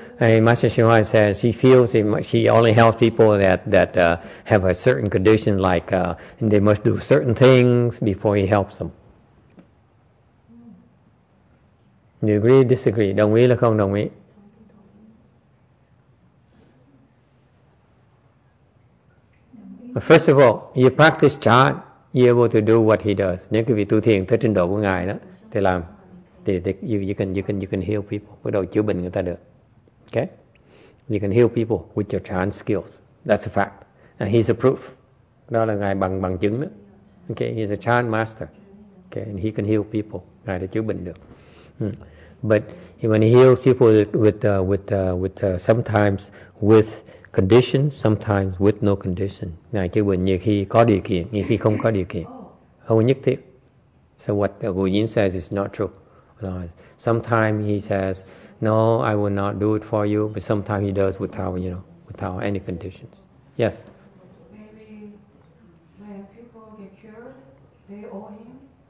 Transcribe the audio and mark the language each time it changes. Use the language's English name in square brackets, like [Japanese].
[English] And Master Xuanhua says he feels he only helps people that have a certain condition, like and they must do certain things before he helps them. You agree, disagree? [Vietnamese] Đồng ý là không đồng ý? [English] First of all, you practice chan, you're able to do what he does. [Vietnamese] Nếu quý vị tu thiền tới trình độ của Ngài đó, thì làm, [English] you can heal people, [Vietnamese] bắt đầu chữa bệnh người ta được. [English] Okay? You can heal people with your chan skills. That's a fact. And he's a proof. [Vietnamese] Đó là Ngài bằng chứng đó. [English] Okay? He's a chan master. Okay? And he can heal people. [Vietnamese] Ngài đã chữa bệnh được. [English] But when he heals people with sometimes with conditions, sometimes with no condition. [Vietnamese] Ngài chữa bệnh nhiều khi có điều kiện, nhiều khi không có điều kiện. Không nhất thiết. [English] So what Guo Yin says is not true. Sometimes he says no, I will not do it for you. But sometimes he does without, you know, without any conditions. Yes. Maybe when people get cured, they owe him.